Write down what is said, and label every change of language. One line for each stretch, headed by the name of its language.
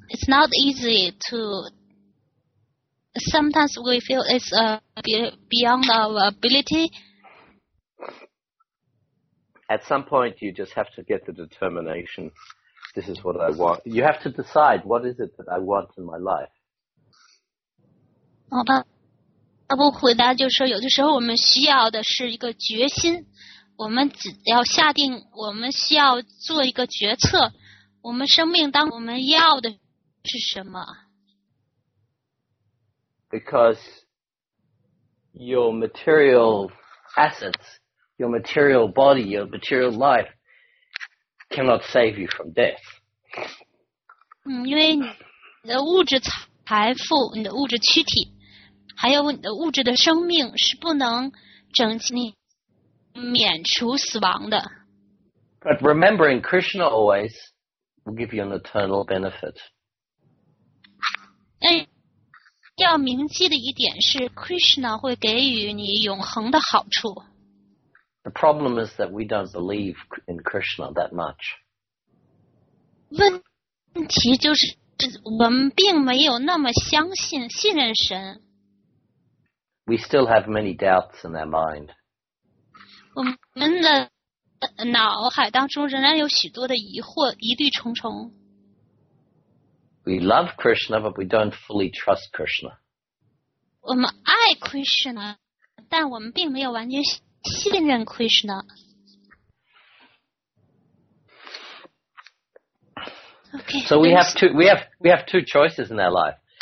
English: It's not easy to. Sometimes we feel it's beyond our ability. At some point, you just have to get the determination. This is what I want. You have to decide what is it that I want in my life.
Chinese: 好吧，阿布回答就是说，有的时候我们需要的是一个决心。我们只要下定，我们需要做一个决策。我们生命当我们要的是什么
English: ？Because your material assets. Your material body, your material life cannot save you from death.
Chinese: 因为你的物质财富、你的物质躯体，还有你的物质的生命是不能拯救你免除死亡的。
English: But remembering Krishna always will give you an eternal benefit.
Chinese: 要铭记的一点是 ，Krishna 会给予你永恒的好处。
English: The problem is that we don't believe in Krishna that much.
Chinese: 问题就是我们并没有那么相信信任神。
English: We still have many doubts in our mind.
Chinese: 我们的脑海当中仍然有许多的疑惑，疑虑重重。
English: We love Krishna, but we don't fully trust Krishna.
Chinese: 我们爱 Krishna, 但我们并没有完全信任 Krishna.
English: Okay, so we have two choices in our life.